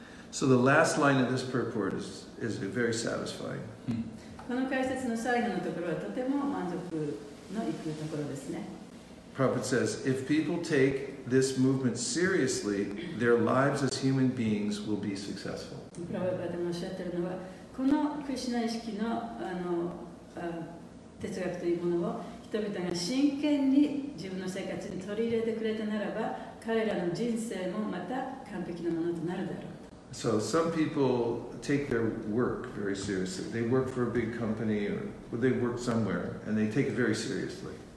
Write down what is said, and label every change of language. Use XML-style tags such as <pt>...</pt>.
<en>So the last line of this purport is very satisfying.</en> <ja>この解説の最後のところはとても満足のいくところですね。</ja> <en>Prabhupada says, if people take this movement seriously, their lives as human beings will be successful.</en> <ja>Prabhupada もおっしゃってるのは、このクリシュナ意識 の, あの哲学というものを人々が真剣に自分の生活に取り入れてくれたならば、彼らの人生もまた完璧なものとなるだろうと。</ja> <en>So some people take their work very seriously. They work for a big company or they work somewhere and they take it very seriously.</en>